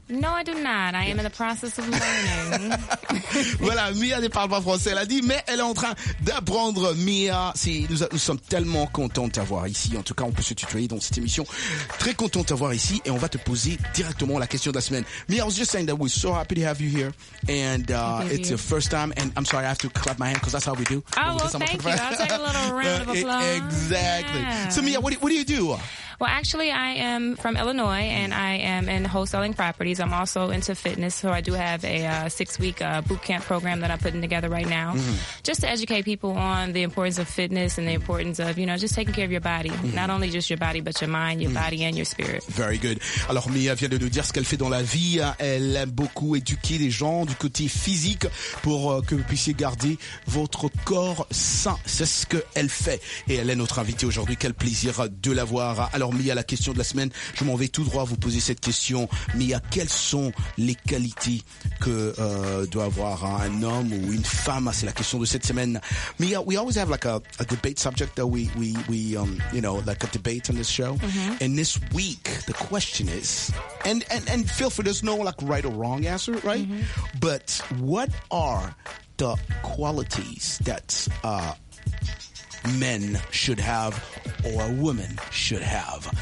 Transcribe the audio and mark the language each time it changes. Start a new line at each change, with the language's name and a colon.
English: No, I do not. I am in the process of learning.
French: Voilà, Mia ne parle pas français, elle a dit, mais elle est en train d'apprendre. Mia, nous sommes tellement contents de t'avoir ici. En tout cas, on peut se tutoyer dans cette émission. Très content de t'avoir ici et on va te poser directement la question de la semaine.
English: Mia, I was just saying that we're so happy to have you here. And it's your first time. And I'm sorry, I have to clap my hand because that's how we do. Oh, well, thank you. I'll take a little round of applause. Exactly. Yeah. So, Mia, what do you do? Well, actually, I am from Illinois, and I am in wholesaling properties. I'm also into fitness, so I do have a 6-week boot camp program that I'm putting together right now, mm-hmm. just to educate people on the importance of fitness and the importance of, you know, just taking care of your body, mm-hmm. not only just your body, but your mind, your mm-hmm. body and your spirit. Very good.
French: Alors, Mia vient de nous dire ce qu'elle fait dans la vie. Elle aime beaucoup éduquer les gens du côté physique pour que vous puissiez garder votre corps sain. C'est ce qu'elle fait. Et elle est notre invitée aujourd'hui. Quel plaisir de l'avoir. Alors, Mia, la question de la semaine, je m'en vais tout droit vous poser cette question. Mia, quelles sont les qualités que doit avoir un homme ou une femme? C'est la question de cette semaine.
English: Mia, we always have like a debate subject that we you know, like a debate on this show. Mm-hmm. And this week, the question is, and feel free, there's no like right or wrong answer, right? Mm-hmm. But what are the qualities that men should have or a woman should have?